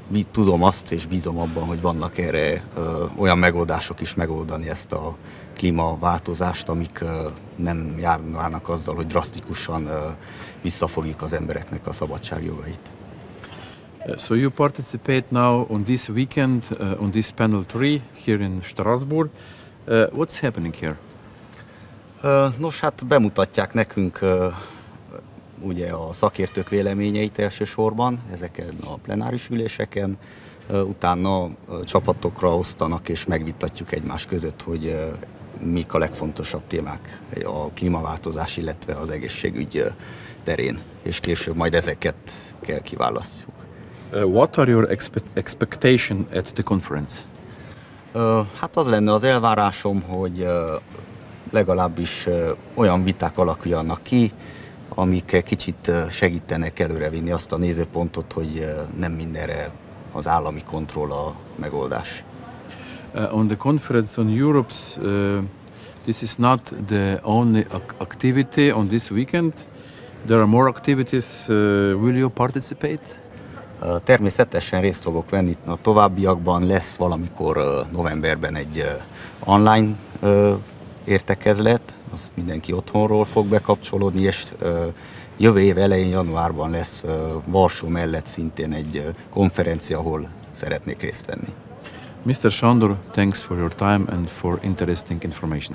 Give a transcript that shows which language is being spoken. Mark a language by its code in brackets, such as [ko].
[hu] Tudom azt, és bízom abban, hogy vannak erre olyan megoldások is megoldani ezt a klímaváltozást, amik nem járnának azzal, hogy drasztikusan visszafogjuk az embereknek a szabadságjogait. [en] So you participate now on this weekend on this panel 3 here in Strasbourg. What's happening here? [hu] Nos, hát bemutatják nekünk ugye a szakértők véleményeit elsősorban ezeken a plenáris üléseken, utána csapatokra osztanak és megvitatjuk egymás között, hogy mik a legfontosabb témák a klímaváltozás, illetve az egészségügy terén, és később majd ezeket kell kiválasztjuk. [en] What are your expectation at the conference? [hu] Hát az lenne az elvárásom, hogy legalábbis olyan viták alakuljanak ki, amik kicsit segítenek előrevinni azt a nézőpontot, hogy nem mindenre az állami kontroll a megoldás. [en] On the conference on Europe, this is not the only activity on this weekend. There are more activities. Will you participate? [hu] Természetesen részt fogok venni a továbbiakban, lesz valamikor novemberben egy online értekezlet, azt mindenki otthonról fog bekapcsolódni, és jövő év elején januárban lesz Varsó mellett szintén egy konferencia, ahol szeretnék részt venni. [en] Mr. Sándor, thanks for your time and for interesting information.